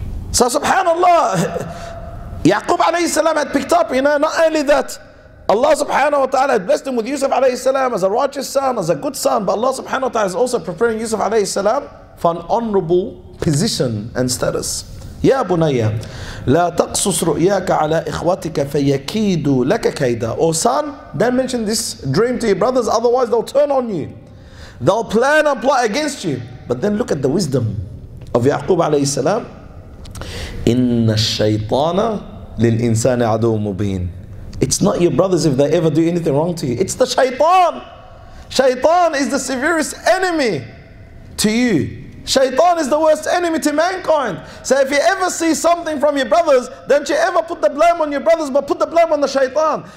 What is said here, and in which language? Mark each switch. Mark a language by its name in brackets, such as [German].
[English] So subhanAllah, Yaqub alayhi salam had picked up, you know, not only that Allah subhanahu wa ta'ala had blessed him with Yusuf alayhi salam as a righteous son, as a good son, but Allah subhanahu wa ta'ala is also preparing Yusuf alayhi salam for an honorable position and status. [Arabic] يا بنيا لا تقصص رؤياك على إخواتك فيكيدوا لك كيدا. [English] Oh son, don't mention this dream to your brothers, otherwise they'll turn on you. They'll plan and plot against you. But then look at the wisdom of Yaqub عليه السلام. [Arabic] إن الشيطان للإنسان عدو مبين. [English] It's not your brothers if they ever do anything wrong to you. It's the shaitan. Shaitan is the severest enemy to you. Shaitan is the worst enemy to mankind. So if you ever see something from your brothers, don't you ever put the blame on your brothers, but put the blame on the shaitan.